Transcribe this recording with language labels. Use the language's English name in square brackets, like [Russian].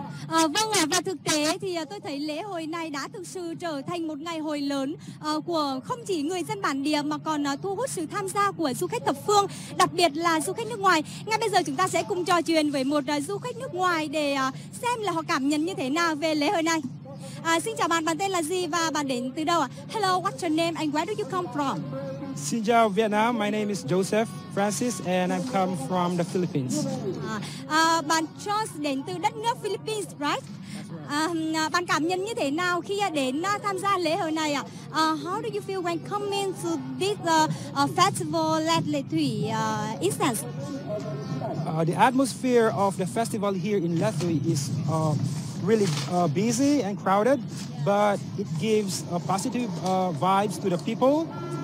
[Vietnamese] Vâng ạ, và thực tế thì tôi thấy lễ hội này đã thực sự trở thành một ngày hội lớn của không chỉ người dân bản địa mà còn thu hút sự tham gia của du khách thập phương, đặc biệt là du khách nước ngoài. Ngay bây giờ chúng ta sẽ cùng trò chuyện với một du khách nước ngoài để xem là họ cảm nhận như thế nào về lễ hội này. Xin chào bạn, bạn tên là gì và bạn đến từ đâu ạ? [English] Hello, what's your name and where do you come from? [Vietnamese] Xin chào Việt Nam, [English] my name is Joseph Francis and I come from the Philippines. [Vietnamese] Bạn Charles đến từ đất nước Philippines, right? Bạn cảm nhận như thế nào khi đến tham gia lễ hội này ạ? [English] How do you feel when coming to this festival at Lệ Thủy instance? The atmosphere of the festival here in Lệ Thủy is really busy and crowded, but it gives a positive vibes to the people.